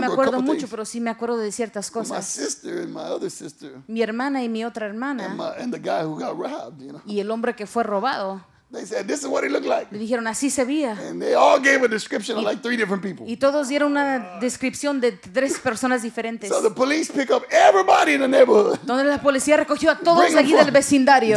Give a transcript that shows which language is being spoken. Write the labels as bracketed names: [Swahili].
[Spanish] No me acuerdo mucho, pero sí me acuerdo de ciertas cosas. [English] My sister and my other sister. [Spanish] Mi hermana y mi otra hermana. [English] And the guy who got robbed, you know. [Spanish] Y el hombre que fue robado. [English] They said, this is what he looked like. [Spanish] Le dijeron, así se veía. [English] And they all gave a description of like three different people. [Spanish] Y todos dieron una descripción de tres personas diferentes. [English] So the police pick up everybody in the neighborhood. [Spanish] Donde la policía recogió a todos aquí del vecindario.